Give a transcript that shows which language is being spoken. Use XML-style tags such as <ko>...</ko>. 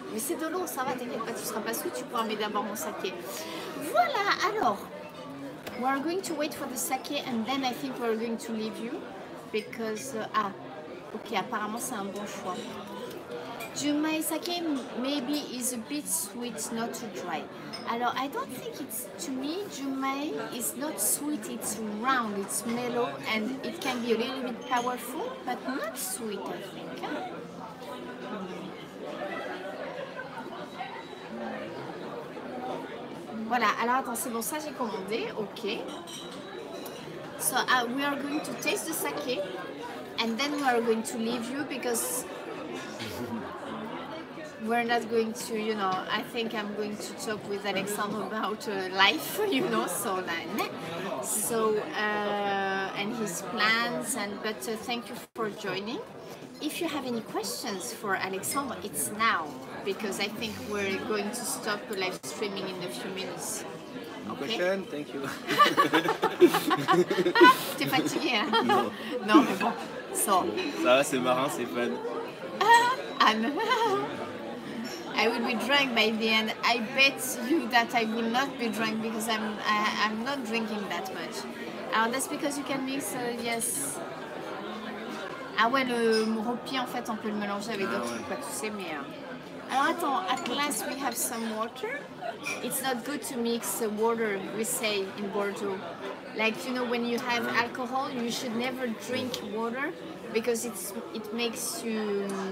<fr>Mais c'est de l'eau, ça va, t'inquiète pas, tu seras pas sûr, tu pourras mettre d'abord mon sake. Voilà, alors.</fr> <en>We are going to wait for the sake and then I think we are going to leave you. Because, ok,</en> <fr>apparemment c'est un bon choix.</fr> <en>Jumai sake maybe is a bit sweet, not too dry. Alors, I don't think it's, to me, Jumai is not sweet, it's round, it's mellow, and it can be a little bit powerful, but not sweet, I think.</en> <fr>Voilà, alors attends, c'est bon, ça j'ai commandé, ok.</fr> <en>So, we are going to taste the sake, and then we are going to leave you, because... We're not going to, you know, I think I'm going to talk with Alexandre about life, you know, so then. So, and his plans, and but thank you for joining. If you have any questions for Alexandre, it's now, because I think we're going to stop live streaming in a few minutes. Okay. Question, thank you.</en> <fr>T'es fatigué, hein? Non. Non, mais bon, so. Ça va, c'est marrant, c'est fun.</fr> <en>Anne. I will be drunk by the end. I bet you that I will not be drunk because I'm not drinking that much. Alors, that's because you can mix, yes.</en> <fr>Ah ouais, le ropi, en fait, on peut le mélanger avec d'autres trucs, tu sais, mais... Alors, attends,</fr> <en>at last we have some water. It's not good to mix water, we say, in Bordeaux. Like, you know, when you have alcohol, you should never drink water because it makes you...</en>